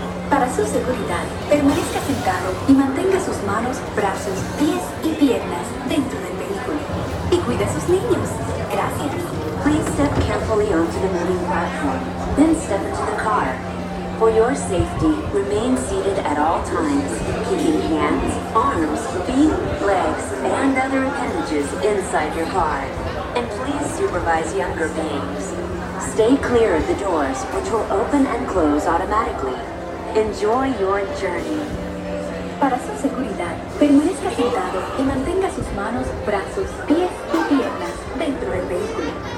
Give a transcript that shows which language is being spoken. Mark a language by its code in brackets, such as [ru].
[es] Para su seguridad, permanezca sentado y mantenga sus manos, brazos, pies y piernas dentro del vehículo. Y cuide a sus niños. Gracias. [en] Please step carefully onto the moving platform, then step into the car. For your safety, remain seated at all times, keeping hands, arms, feet, legs, and other appendages inside your car. And please supervise younger beings. Stay clear of the doors, which will open and close automatically. Enjoy your journey. [es] Para su seguridad, permanezca sentado y mantenga sus manos, brazos, pies y piernas dentro del vehículo.